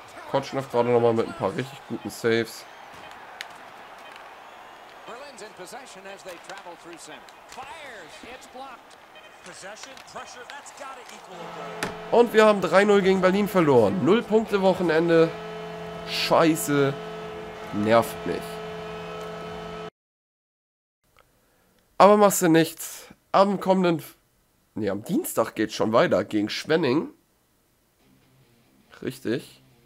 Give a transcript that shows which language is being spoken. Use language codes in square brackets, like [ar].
[de] Kotschneff gerade nochmal mit ein paar richtig guten Saves. [en] Berlin's in possession as they travel through center. Fires, it's blocked. Possession, pressure, that's gotta equal a goal. [de] Und wir haben 3-0 gegen Berlin verloren. 0 Punkte Wochenende. Scheiße. Nervt mich. Aber machst du nichts. Am kommenden... Nee, am Dienstag geht's schon weiter gegen Schwenning. Richtig.